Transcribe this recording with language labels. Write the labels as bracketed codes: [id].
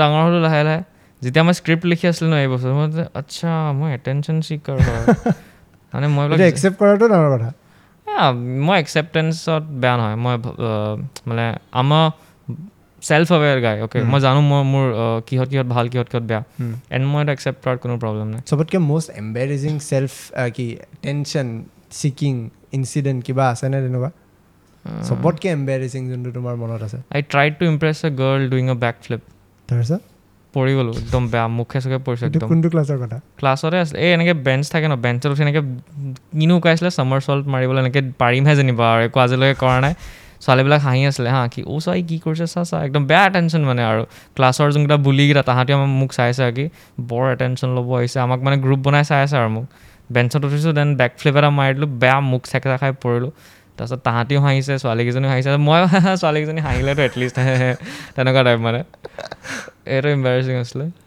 [as] ডাঙৰ হ'লোঁ লাহে লাহে, যেতিয়া মই স্ক্ৰিপ্ট লিখি আছিলোঁ ন এই বছৰ, মই আচ্ছা মই এটেনশ্যন ছিকাৰ মানে, মই একচেপ্ট কৰাটো ডাঙৰ কথা, মই একচেপ্টেঞ্চত বেয়া নহয়, মই মানে আমাৰ ছেল্ফ এৱেৰ গাই, অ'কে মই জানো মই মোৰ কিহত কিহত ভাল কিহত কিহত বেয়া, এণ্ড মই একচেপ্ট কৰাৰ কোনো প্ৰব্লেম নাই। সবতকৈ মোষ্ট এম্বেৰেজিং ছেল্ফ কি টেনশ্যন ছিকিং ইনচিডেণ্ট কিবা আছে নে তেনেকুৱা? সবতকৈ এম্বেৰেজিং যোনটো তোমাৰ মনত আছে? [en] I tried to impress a girl doing a back flip, [as] পৰি গ'লো একদম বেয়া, মুখে চুখে পৰিছে একদম, কোনটো ক্লাছৰ কথা? ক্লাছতে আছিলে, এই এনেকৈ বেঞ্চ থাকে ন, বেঞ্চত উঠি এনেকৈ কিনো উকাইছিলে ছামাৰ ছল্ট মাৰিবলৈ, এনেকৈ পাৰিমহে জানিবা আৰু, একো আজিলৈকে কৰা নাই, ছোৱালীবিলাক হাঁহি আছিলে হা কি ঔ চাই কি কৰিছে চা চা, একদম বেয়া এটেনশ্যন মানে, আৰু ক্লাছৰ যোনকেইটা বুলিকেইটা তাহাঁতি আমাৰ মোক চাইছে আৰু কি বৰ এটেনশ্যন ল'ব আহিছে, আমাক মানে গ্ৰুপ বনাই চাই আছে আৰু, মোক বেঞ্চত উঠিছোঁ দেন বেক ফ্লিপ এটা মাৰি দিলোঁ, বেয়া মুখ চেকেচা খাই পৰিলোঁ, তাৰপিছত তাহাঁতিও হাঁহিছে ছোৱালীকেইজনীও হাঁহিছে, মই ছোৱালীকেইজনী হাঁহিলেতো এটলিষ্ট তেনেকুৱা টাইপ মানে, এইটো এম্বাৰেচিং আছিলে